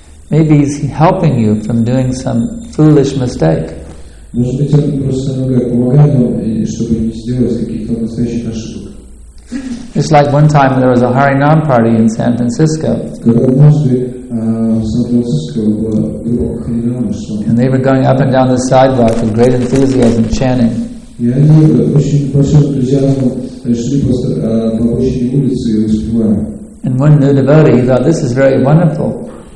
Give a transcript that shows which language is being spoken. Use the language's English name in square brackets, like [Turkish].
[English] Maybe he's helping you from doing some foolish mistake. [Russian] Может быть, он просто немного помогает нам, чтобы не сделать каких-то настоящих ошибок. [English] Just like one time when there was a Harinam party in San Francisco. And they were going up and down the sidewalk with great enthusiasm chanting. And one new devotee, he thought, this is very wonderful.